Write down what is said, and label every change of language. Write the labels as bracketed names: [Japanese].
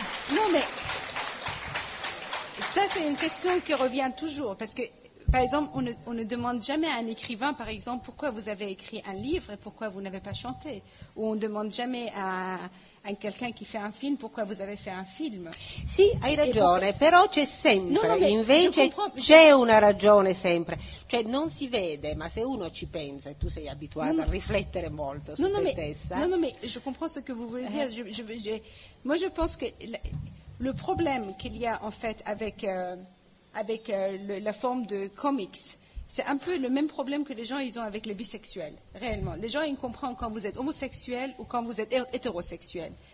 [French] Non, mais ça c'est une question qui revient toujours, parce que par exemple, on ne demande jamais à un écrivain, par exemple, pourquoi vous avez écrit un livre et pourquoi vous n'avez pas chanté. Ou on ne demande jamais à quelqu'un qui fait un film pourquoi vous avez fait un film. [Italian] Si, hai ragione, però c'è sempre, invece c'è una ragione sempre. Cioè, non si vede, ma se uno ci pensa, e tu sei abituata a riflettere molto su te stessa. [French] Non, mais je comprends ce que vous voulez dire. Moi, je pense que le problème qu'il y a, en fait, avec... avec la forme de comics, c'est un peu le même problème que les gens ils ont avec les bisexuels, réellement. Les gens ils comprennent quand vous êtes homosexuel ou quand vous êtes hétérosexuel.